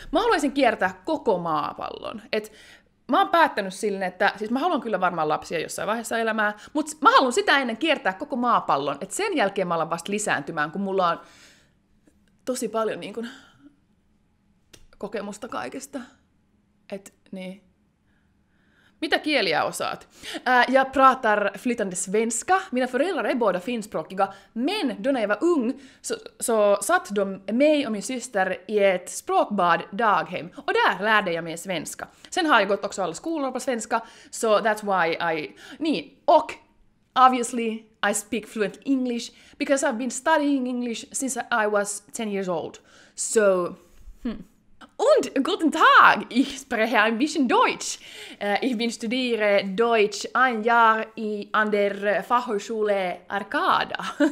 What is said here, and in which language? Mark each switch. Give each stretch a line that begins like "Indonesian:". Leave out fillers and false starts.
Finnish: Mä haluaisin kiertää koko maapallon. Et mä oon päättänyt silleen, että siis mä haluan kyllä varmaan lapsia jossain vaiheessa elämää, mutta mä haluan sitä ennen kiertää koko maapallon. Et sen jälkeen mä alan vasta lisääntymään, kun mulla on tosi paljon niin kun, kokemusta kaikesta. Et niin. Mitä kieliä osaat?
Swedish: Jag pratar flytande svenska. Mina föräldrar är båda finspråkiga. Men då när jag var ung så satt de mig och min syster i ett språkbad daghem. Och där lärde jag mig svenska. Sen har jag gått också alla skolor på svenska.
English: So that's why I...
Finnish: Niin.
Swedish: Och
English: obviously I speak fluent English. Because I've been studying English since I was 10 years old. So...
German: Und guten Tag, ich spreche ein bisschen Deutsch. Ich bin studiere Deutsch ein Jahr an der Fachhochschule Arcada.